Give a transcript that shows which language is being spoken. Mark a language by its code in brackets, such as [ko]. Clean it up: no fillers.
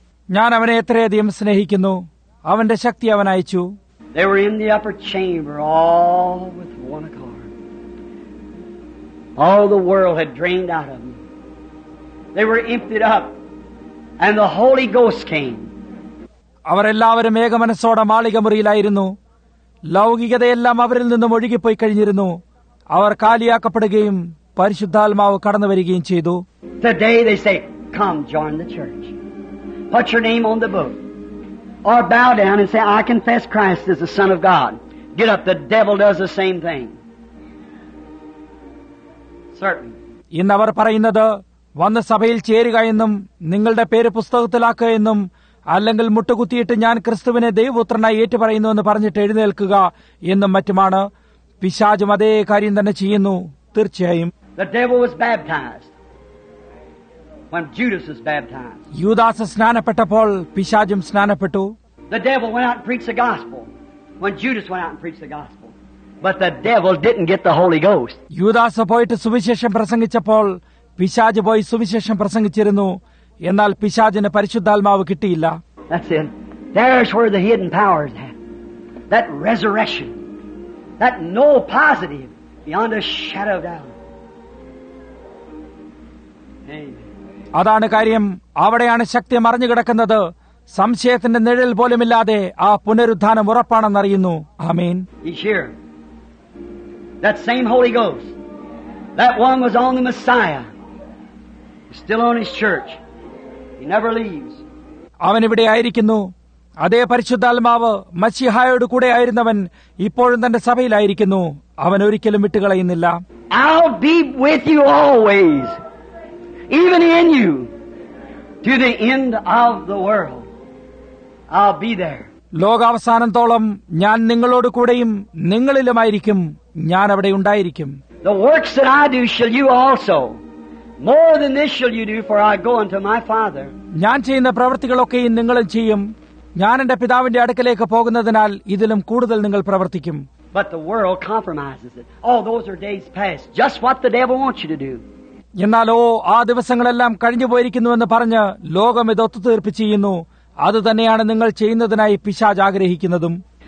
[ml] ഞാൻ അവനെ എത്രയധികം സ്നേഹിക്കുന്നു. അവന്റെ ശക്തി അവൻ അയച്ചു. [en] They were in the upper chamber all with one accord. All the world had drained out of them. They were emptied up and the Holy Ghost came. [ml] അവരെല്ലാവരും ഏകമനസ്സോടെ മാളികമുറിയിലായിരുന്നു. ലൗകികതയെല്ലാം അവരിൽ നിന്നും ഒഴുകിപ്പോയി കഴിഞ്ഞിരുന്നു. അവർ കാലിയാക്കപ്പെടുകയും പരിശുദ്ധാത്മാവ് കടന്നു വരികയും ചെയ്തു. [en] Today they say, come join the church. Put your name on the book. Or bow down and say, I confess Christ as the Son of God. Get up. The devil does the same thing. Certain. [ml] ഇന്ന് അവർ പറയുന്നത് വന്ന് സഭയിൽ ചേരുക എന്നും നിങ്ങളുടെ പേര് പുസ്തകത്തിലാക്കുക എന്നും അല്ലെങ്കിൽ മുട്ടുകുത്തിയിട്ട് ഞാൻ ക്രിസ്തുവിനെ ദൈവപുത്രനായി ഏറ്റുപറയുന്നു എന്ന് പറഞ്ഞിട്ട് എഴുന്നേൽക്കുക എന്നും മറ്റുമാണ്. പിശാചും അതേ കാര്യം തന്നെ ചെയ്യുന്നു. തീർച്ചയായും [en] the devil was baptized. When Judas was baptized. [ml] Judas സ്നാനപ്പെട്ടപ്പോൾ പിശാചും സ്നാനപ്പെട്ടു. [en] The devil went out and preached the gospel. When Judas went out and preached the gospel. But the devil didn't get the Holy Ghost. [ml] യൂദാസ് പോയിട്ട് സുവിശേഷം പ്രസംഗിച്ചപ്പോൾ പിശാജ് പോയി സുവിശേഷം പ്രസംഗിച്ചിരുന്നു. എന്നാൽ പിശാജിന് പരിശുദ്ധാത്മാവ് കിട്ടിയില്ല. [en] That's it. There's where the hidden power is at. That resurrection. That no positive beyond a shadow of doubt. [ml] അതാണ് കാര്യം. അവിടെയാണ് ശക്തി മറിഞ്ഞു കിടക്കുന്നത്. സംശയത്തിന്റെ നിഴൽ പോലുമില്ലാതെ ആ പുനരുദ്ധാനം ഉറപ്പാണെന്നറിയുന്നു. ആമീൻ. [en] That same Holy Ghost, that one was on the Messiah, still on his church. He never leaves. [ml] അവൻ ഇവിടെ ആയിരിക്കുന്നു. അതേ പരിശുദ്ധാത്മാവ് മശിഹായോട് കൂടെ ആയിരുന്നവൻ ഇപ്പോഴും തന്റെ സഭയിലായിരിക്കുന്നു. അവൻ ഒരിക്കലും വിട്ടുകളയുന്നില്ല. [en] I'll be with you always. Even in you, to the end of the world, I'll be there. [ml] ലോകാവസാനത്തോളം ഞാൻ നിങ്ങളോട് കൂടെയും നിങ്ങളിലുമായിരിക്കും. ഞാൻ അവിടെ ഉണ്ടായിരിക്കും. [en] The works that I do shall you also. More than this shall you do, for I go unto my Father. [ml] ഞാൻ ചെയ്യുന്ന പ്രവൃത്തികളൊക്കെയും നിങ്ങളും ചെയ്യും. ഞാൻ എന്റെ പിതാവിന്റെ അടുക്കലേക്ക് പോകുന്നതിനാൽ ഇതിലും കൂടുതൽ നിങ്ങൾ പ്രവർത്തിക്കും. [en] But the world compromises it. Oh, those are days past. Just what the devil wants you to do. [ml] എന്നാലോ ആ ദിവസങ്ങളെല്ലാം കഴിഞ്ഞു പോയിരിക്കുന്നുവെന്ന് പറഞ്ഞ് ലോകം ഇത് ഒത്തുതീർപ്പ് ചെയ്യുന്നു. അത് തന്നെയാണ് നിങ്ങൾ ചെയ്യുന്നതിനായി പിശാജ് ആഗ്രഹിക്കുന്നതും.